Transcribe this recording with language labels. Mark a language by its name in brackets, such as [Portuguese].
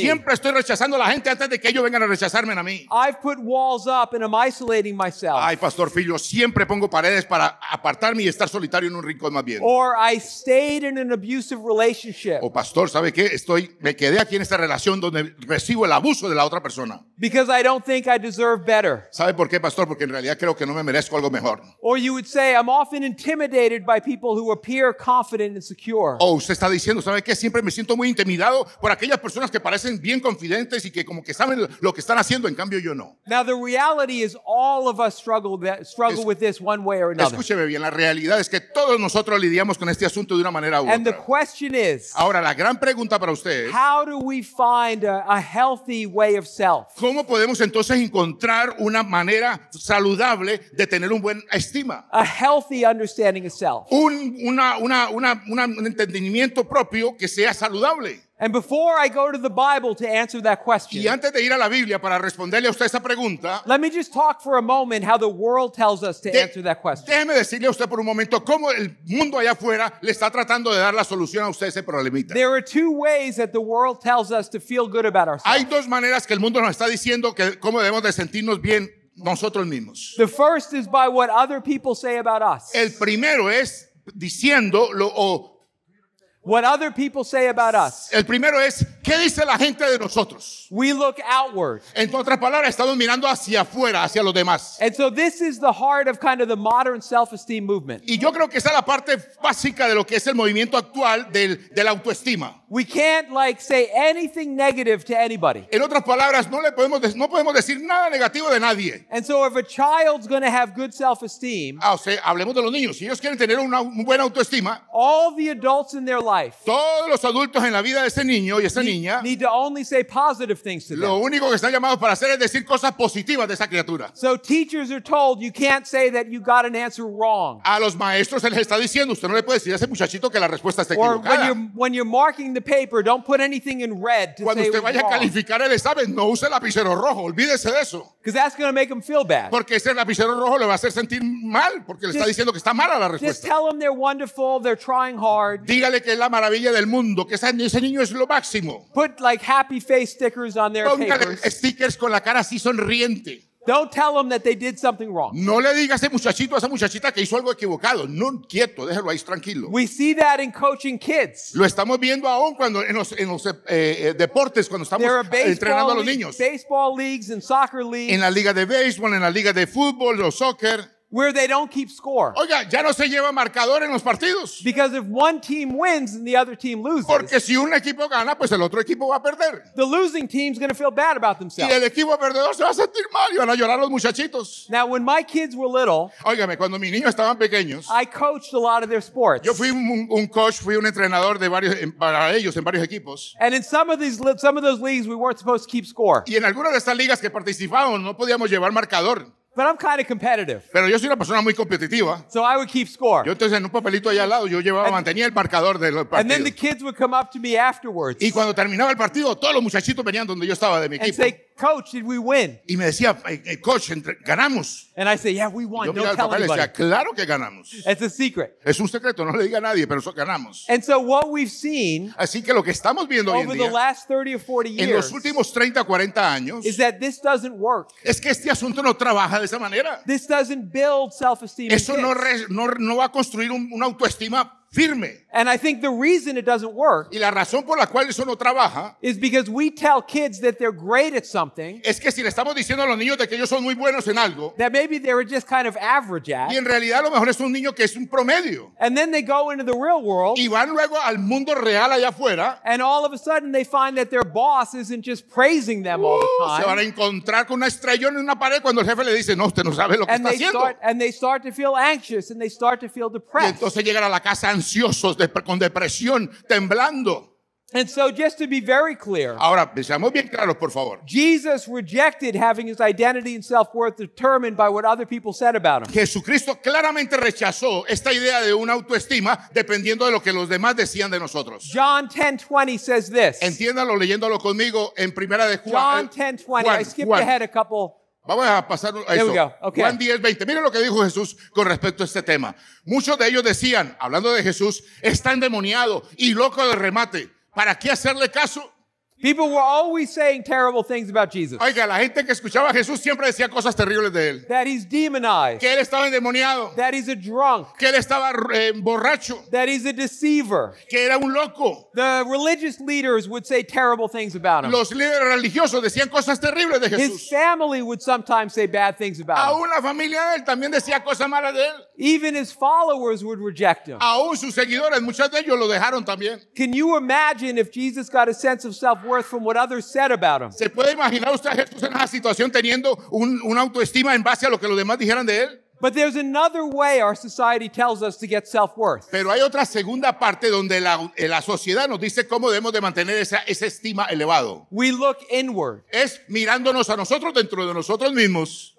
[Spanish] Siempre estoy rechazando a la gente antes de que ellos vengan a rechazarme a mí. [English] I've put walls up and I'm isolating myself. [Spanish] Ay, Pastor Filho, siempre pongo paredes para apartarme y estar solitario en un rincón más bien. [English] Or I stayed in an abusive relationship. [Spanish] O pastor, ¿sabe qué? Estoy me quedé aquí en esta relación donde recibo el abuso de la otra persona. [English] Because I don't think I deserve better. [Spanish] ¿Sabe por qué, pastor? Porque en realidad creo que no me merezco algo mejor. [English] Or you would say, I'm often intimidated by people who appear confident and secure. [Spanish] O usted está diciendo, ¿sabe qué? Siempre me siento muy intimidado por aquellas personas que parecen bien confidentes y que como que saben lo que están haciendo, en cambio yo no. [English] Now the reality is all of us struggle with this one way or another. [Spanish] Escúcheme bien, la realidad es que todos nosotros lidiamos con este asunto de una manera u otra. [English] And the question is, [Spanish] ahora la gran pregunta para usted es, [English] how do we find a healthy way of self? [Spanish] ¿Cómo podemos entonces encontrar una manera saludable de tener un buen estima? [English] A healthy understanding of self. [Spanish] Un entendimiento propio que sea saludable. [English] And before I go to the Bible to answer that question, [Spanish] y antes de ir a la Biblia para responderle a usted esa pregunta, [English] let me just talk for a moment how the world tells us to answer that question. [Spanish] Déjeme decirle a usted por un momento cómo el mundo allá afuera le está tratando de dar la solución a usted ese problemita. [English] There are two ways that the world tells us to feel good about ourselves. [Spanish] Hay dos maneras que el mundo nos está diciendo que cómo debemos de sentirnos bien nosotros mismos. [English] The first is by what other people say about us. [Spanish] El primero es diciendo [English] what other people say about us. [Spanish] El primero es, ¿qué dice la gente de nosotros? [English] We look outward. [Spanish] En otras palabras, estamos mirando hacia afuera, hacia los demás. [English] And so this is the heart of kind of the modern self-esteem movement. [Spanish] Y yo creo que esa es la parte básica de lo que es el movimiento actual del autoestima. [English] We can't like say anything negative to anybody. [Spanish] En otras palabras, no podemos decir nada negativo de nadie. [English] And so if a child's going to have good self-esteem, [Spanish] o sea, hablemos de los niños. Si ellos quieren tener una buena autoestima, [English] all the adults in their life, [Spanish] todos los adultos en la vida de ese niño y esa niña, niña, [English] need to only say positive things to them. [Spanish] Lo único que están llamados para hacer es decir cosas positivas de esa criatura. [English] So teachers are told you can't say that you got an answer wrong. [Spanish] A los maestros se les está diciendo, usted no le puede decir a ese muchachito que la respuesta está equivocada. [English] Or when you're marking the paper, don't put anything in red to [Spanish] cuando [English] say [Spanish] usted vaya [English] wrong. [Spanish] A calificar el examen, no use el lapicero rojo, olvídese de eso. [English] Because that's going to make them feel bad. [Spanish] Porque ese lapicero rojo le va a hacer sentir mal, porque le está diciendo que está mala la respuesta. [English] Just tell them they're wonderful, they're trying hard. [Spanish] Dígale que es la maravilla del mundo, que ese niño es lo máximo. [English] Put like happy face stickers on their [Spanish] Póngale [English] papers. [Spanish] Stickers con la cara así sonriente. [English] Don't tell them that they did something wrong. [Spanish] No le digas a ese muchachito, a esa muchachita que hizo algo equivocado. No, quieto, déjelo ahí tranquilo. [English] We see that in coaching kids. [Spanish] Lo estamos viendo aún cuando en los deportes, cuando estamos entrenando a los niños. [English] Baseball leagues and soccer leagues. [Spanish] En la liga de béisbol, en la liga de fútbol o soccer. [English] Where they don't keep score. [Spanish] Oiga, ya no se lleva marcador en los partidos. [English] Because if one team wins and the other team loses. [Spanish] Porque si un equipo gana, pues el otro equipo va a perder. [English] The losing team's going to feel bad about themselves. [Spanish] Y el equipo perdedor se va a sentir mal y van a llorar los muchachitos. [English] Now, when my kids were little. [Spanish] Óigame, cuando mis niños estaban pequeños. [English] I coached a lot of their sports. [Spanish] Yo fui un coach, fui un entrenador de varios para ellos en varios equipos. [English] And in some of those leagues, we weren't supposed to keep score. [Spanish] Y en algunas de estas ligas que participábamos, no podíamos llevar marcador. [English] But I'm kind of competitive. [Spanish] Pero yo soy una persona muy competitiva. [English] So I would keep score. [Spanish] Yo entonces en un papelito allá al lado yo llevaba mantenía el marcador del partido. [English] And then the kids would come up to me afterwards. [Spanish] Y cuando terminaba el partido todos los muchachitos venían donde yo estaba de mi equipo. [English] And say, "Coach, did we win?" [Spanish] Y me decía, "Coach, ganamos." [English] And I say, "Yeah, we won. [Spanish] Yo [English] don't tell anybody." [Spanish] Y decía, "Claro que ganamos." [English] It's a secret. [Spanish] Es un secreto, no le diga a nadie, pero ganamos. [English] And so what we've seen. [Spanish] Así que lo que estamos viendo hoy en día. [English] Over the last 30 or 40 years. [Spanish] En los últimos 30 o 40 años. [English] Is that this doesn't work? [Spanish] Es que este asunto no trabaja. De esa manera. [English] This doesn't build self-esteem. [Spanish] Eso no va a construir una autoestima firme. [English] And I think the reason it doesn't work. [Spanish] Y la razón por la cual eso no trabaja. [English] Is because we tell kids that they're great at something. [Spanish] Es que si le estamos diciendo a los niños de que ellos son muy buenos en algo. [English] That maybe they're just kind of average at. [Spanish] Y en realidad a lo mejor es un niño que es un promedio. [English] And then they go into the real world. [Spanish] Y van luego al mundo real allá afuera. [English] And all of a sudden they find that their boss isn't just praising them all the time. [Spanish] Se van a encontrar con una estrellón en una pared cuando el jefe le dice no, usted no sabe lo que [English] and [Spanish] está haciendo. [English] And they start to feel anxious and they start to feel depressed. [Spanish] Y entonces llegan a la casa ansiosos, con depresión, temblando. [English] And so just to be very clear. [Spanish] Ahora, seamos bien claros, por favor. [English] Jesus rejected having his identity and self-worth determined by what other people said about him. [Spanish] Jesucristo claramente rechazó esta idea de una autoestima dependiendo de lo que los demás decían de nosotros. [English] John 10:20 says this. [Spanish] Entiéndalo leyéndolo conmigo en primera de Juan. [English] John 10:20. I skipped ahead a couple. [Spanish] Vamos a pasar a eso. [English] Okay. [Spanish] Juan 10:20. Mira lo que dijo Jesús con respecto a este tema. Muchos de ellos decían, hablando de Jesús, está endemoniado y loco de remate. ¿Para qué hacerle caso? [English] People were always saying terrible things about Jesus. [Spanish] Oiga, la gente que escuchaba a Jesús siempre decía cosas terribles de él. [English] That he's demonized. [Spanish] Que él estaba endemoniado. [English] That he's a drunk. [Spanish] Que él estaba borracho. [English] That he's a deceiver. [Spanish] Que era un loco. [English] The religious leaders would say terrible things about him. [Spanish] Los líderes religiosos decían cosas terribles de Jesús. [English] His family would sometimes say bad things about him. [Spanish] Aún la familia de él también decía cosas malas de él. [English] Even his followers would reject him. [Spanish] Aún sus seguidores, muchos de ellos lo dejaron también. [English] Can you imagine if Jesus got a sense of self worth from what others said about him? [Spanish] ¿Se puede imaginar usted a Jesús en esa situación teniendo un autoestima en base a lo que los demás dijeran de él? [English] But there's another way our society tells us to get self-worth. [Spanish] Pero hay otra segunda parte donde la sociedad nos dice cómo debemos de mantener esa estima elevado. [English] We look inward. [Spanish] Es mirándonos a nosotros dentro de nosotros mismos.